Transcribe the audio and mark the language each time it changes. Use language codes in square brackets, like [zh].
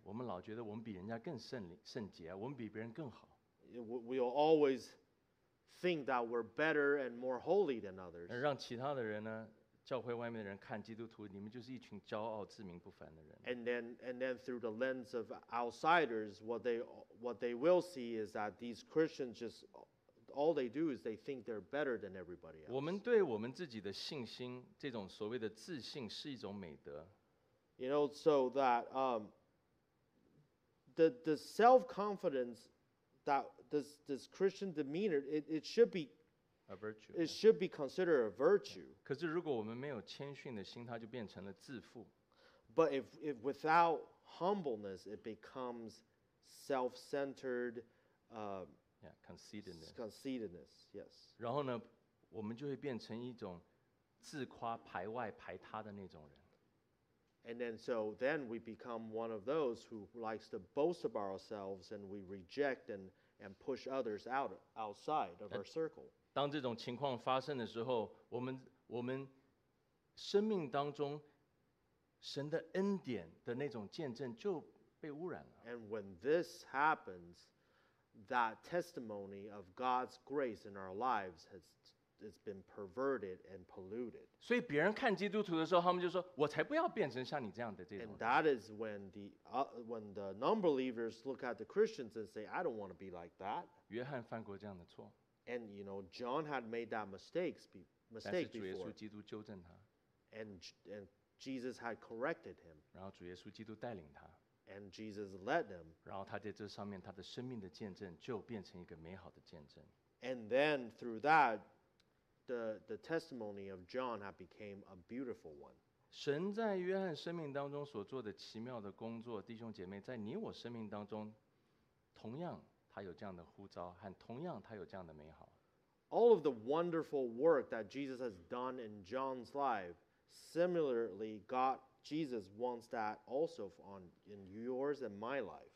[zh] 我们老觉得我们比人家更圣洁，我们比别人更好。 [en] We'll always think that we're better and more holy than others. [zh] 让其他的人呢, 教会外面的人看基督徒，你们就是一群骄傲、自命不凡的人。 [en] And then through the lens of outsiders, what they will see is that these Christians just all they do is they think they're better than everybody else. [zh] 我们对我们自己的信心，这种所谓的自信，是一种美德。 [en] You know, so that the self confidence that this Christian demeanor it should be. A virtue. It should be considered a virtue. [zh] 可是如果我们没有谦逊的心，它就变成了自负。 [en] But if without humbleness, it becomes self-centered, conceitedness. Conceitedness, yes. [zh] 然后呢，我们就会变成一种自夸、排外、排他的那种人。 [en] And then we become one of those who likes to boast about ourselves, and we reject and push others outside of our circle. [zh] 当这种情况发生的时候，我们生命当中神的恩典的那种见证就被污染了。 [en] And when this happens, that testimony of God's grace in our lives has been perverted and polluted. [zh] 所以别人看基督徒的时候，他们就说：“我才不要变成像你这样的这种。 [en] ”And that is when the non-believers look at the Christians and say, "I don't want to be like that." [zh] 约翰犯过这样的错。 [en] And you know, John had made that mistake before. [zh] 但是主耶稣基督纠正他。 [en] And Jesus had corrected him. [zh] 然后主耶稣基督带领他。 [en] And Jesus led him. [zh] 然后他在这上面，他的生命的见证就变成一个美好的见证。 [en] And then through that, the testimony of John had became a beautiful one. [zh] 神在约翰生命当中所做的奇妙的工作，弟兄姐妹，在你我生命当中，同样。他有这样的呼召，和同样他有这样的美好。 [en] All of the wonderful work that Jesus has done in John's life, similarly, God Jesus wants that also in yours and my life.